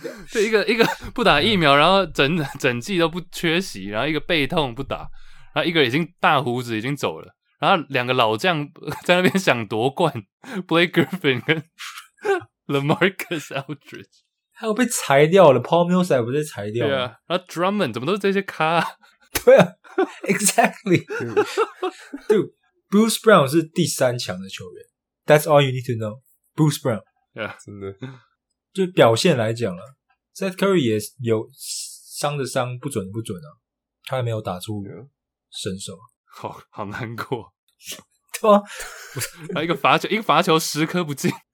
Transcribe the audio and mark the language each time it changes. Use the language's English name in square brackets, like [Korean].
[Chinese] 对一个不打疫苗，然后整季都不缺席，然后一个背痛不打，然后一个已经大胡子已经走了，然后两个老将在那边想夺冠 ，Blake Griffin 跟 LaMarcus Aldridge，他又被裁掉了 ，Paul Millsap 不是裁掉了？对啊，然后 Drummond 怎么都是这些咖？对啊。 [English] Exactly， dude， [Chinese] Bruce Brown 是第三强的球员。 [English] That's all you need to know， Bruce Brown。 Yeah， [Chinese] 真的，就表现来讲了、啊、，Seth Curry 也有伤的伤，不准的不准啊，他还没有打出身手， yeah. 好难过。对啊，啊一个罚球十颗不进。